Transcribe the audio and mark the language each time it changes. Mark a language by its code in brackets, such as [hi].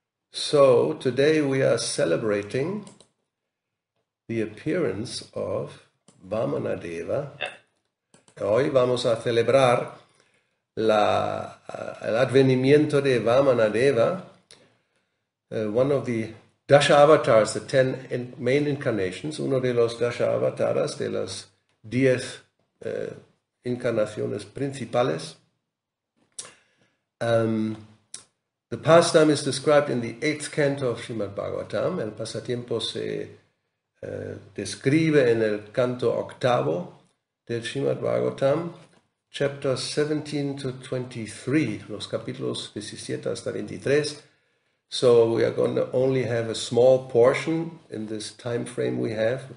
[en] So today we are celebrating the appearance of Vamana Deva. [es] Hoy vamos a celebrar el advenimiento de Vamana Deva. [en] One of the dasha avatars, the 10 main incarnations, [es] uno de los dasha avatars, de las 10 incarnaciones principales. [en] The pastime is described in the 8th canto of Srimad Bhagavatam. [es] El pasatiempo se describe en el canto octavo del Srimad Bhagavatam, [en] chapters 17 to 23, [es] los capítulos 17 hasta 23. [en] So we are going to only have a small portion in this time frame we have.